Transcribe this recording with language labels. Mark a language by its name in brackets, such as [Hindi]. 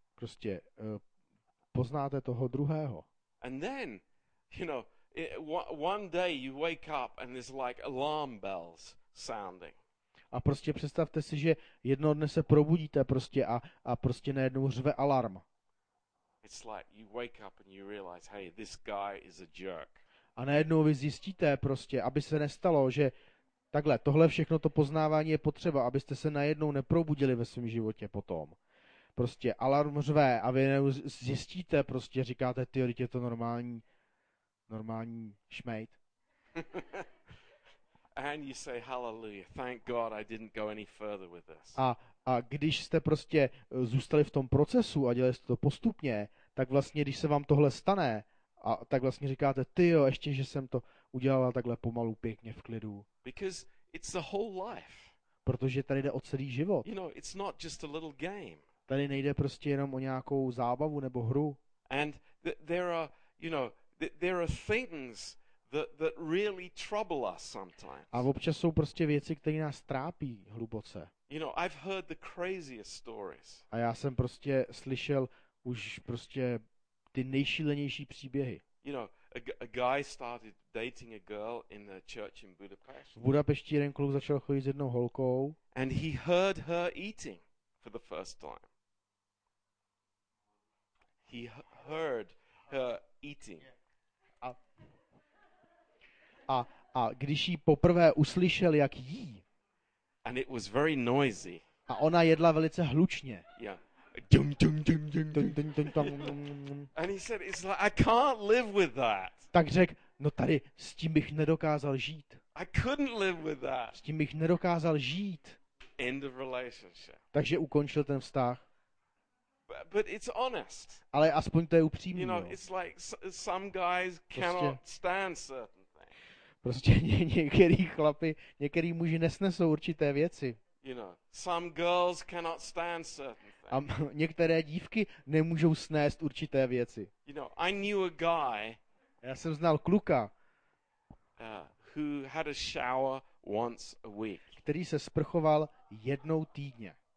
[Czech] Prostě poznáte toho druhého. [English] And then, you know, one day you wake up and there's like alarm bells sounding. [Czech] A prostě představte si, že jednoho dne se probudíte prostě a prostě najednou řve alarm. [English] It's like you wake up and you realize, hey, this guy is a jerk. [Czech] A najednou vy zjistíte prostě, aby se nestalo, že takhle, tohle všechno to poznávání je potřeba, abyste se najednou neprobudili ve svém životě potom. Prostě alarm řve a vy zjistíte, prostě říkáte, ty, teď je to normální šmejt. [English] And you say hallelujah. Thank God I didn't go any further with this. [Czech] A když jste prostě zůstali v tom procesu a dělali jste to postupně, tak vlastně když se vám tohle stane, a tak vlastně říkáte, ty jo, ještě že jsem to udělala takhle pomalu, pěkně v klidu. [English] Because it's the whole life. [Czech] Protože tady jde o celý život. [English] You know, it's not just a little game. [Czech] Tady nejde prostě jenom o nějakou zábavu nebo hru. [English] And there are things that really trouble us sometimes. [Czech] A občas jsou prostě věci, které nás trápí hluboce. [English] You know, I've heard the craziest stories. [Czech] A já jsem prostě slyšel už prostě ty nejšílenější příběhy. [English] You know, a guy started dating a girl in the church in Budapest. [Czech] V Budapešti jeden kluk začal chodit s jednou holkou. [English] And he heard her eating for the first time. He heard her eating. [Czech] A když jí poprvé uslyšel, jak jí. [English] And it was very noisy. [Czech] A ona jedla velice hlučně. [English] Yeah. Dum, dum, dum, dum, dum, dum, dum, dum. And he said, it's like, I can't live with that. [Czech] Tak řekl, no tady s tím bych nedokázal žít. [English] I couldn't live with that. [Czech] S tím bych nedokázal žít. [English] End of relationship. [Czech] Takže ukončil ten vztah. [English] But it's honest. [Czech] Ale aspoň to je upřímný. [English] You know, it's like some guys cannot stand certain things. [Czech] Prostě některý chlapi, některý muži nesnesou určité věci. [English] You know, some girls cannot stand certain things. [Czech] A některé dívky nemůžou snést určité věci. [English] You know, I knew a guy. [Czech] Já jsem znal kluka. [English] Who had a shower once a week. [Czech] Který se sprchoval jednou týdně.